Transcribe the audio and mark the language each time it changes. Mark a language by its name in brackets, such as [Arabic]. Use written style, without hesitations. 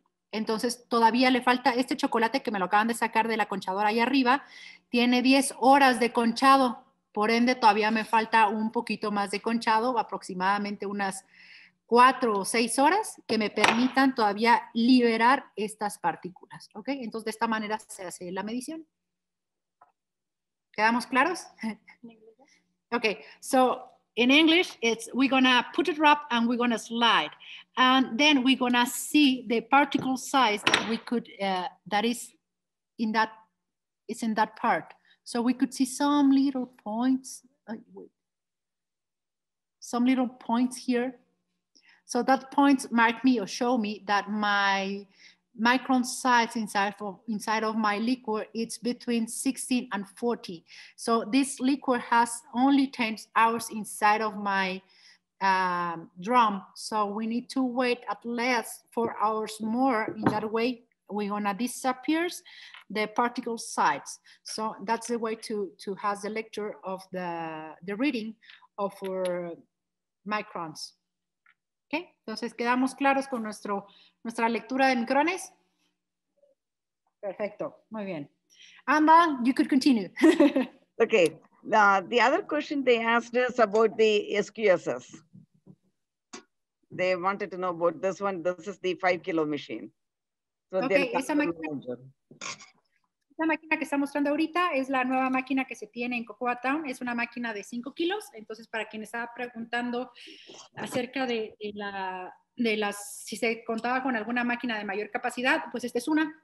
[Spanish] Entonces, todavía le falta este chocolate que me lo acaban de sacar de la conchadora ahí arriba, tiene 10 horas de conchado, por ende todavía me falta un poquito más de conchado, aproximadamente unas 4 o 6 horas que me permitan todavía liberar estas partículas, ¿ok? Entonces, de esta manera se hace la medición. ¿Quedamos claros? [English] Ok, so in English, it's we're gonna put it up and we're gonna slide. And then we're gonna see the particle size that we could, is in that part. So we could see some little points, here. So that points mark me or show me that my micron size inside of my liquid, it's between 16 and 40. So this liquid has only 10 hours inside of my drum. So we need to wait at least 4 hours more. In that way, we're gonna disappear the particle size. So that's the way to have the lecture of the reading of our microns. [Spanish] Okay, entonces quedamos claros con nuestra lectura de micrones. Perfecto, muy bien. Amba, [English] you could continue. Okay, the other question they asked is about the SQSS. They wanted to know about this one. This is the 5 kilo machine. [Spanish] So okay, esa máquina que está mostrando ahorita es la nueva máquina que se tiene en Cocoa Town. Es una máquina de 5 kilos. Entonces, para quien estaba preguntando acerca de las, si se contaba con alguna máquina de mayor capacidad, pues esta es una.